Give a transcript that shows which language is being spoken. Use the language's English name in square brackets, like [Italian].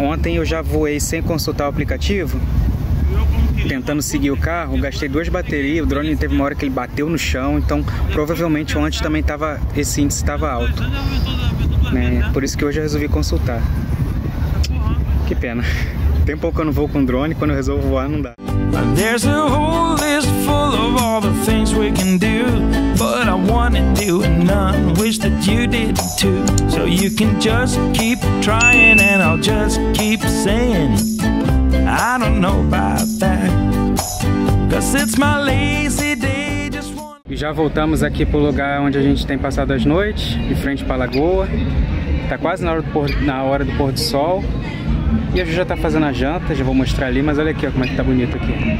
[Portuguese] Ontem eu já voei sem consultar o aplicativo, tentando seguir o carro, gastei 2 baterias, o drone teve uma hora que ele bateu no chão, então provavelmente ontem também tava, esse índice estava alto. Né? Por isso que hoje eu resolvi consultar. Que pena. Tem pouco que eu não vou com drone, quando eu resolvo voar não dá. [English] There's a whole list full of all the things we can do, but I wanna do none, wish that you did too. So you can just keep trying and I'll just keep saying I don't know about that. Cause it's my lazy day, just wanna... [Portuguese] E já voltamos aqui pro lugar onde a gente tem passado as noites, de frente pra lagoa. Tá quase na hora do pôr do sol. E a Ju já tá fazendo a janta, já vou mostrar ali, mas olha aqui, ó, como é que tá bonito aqui.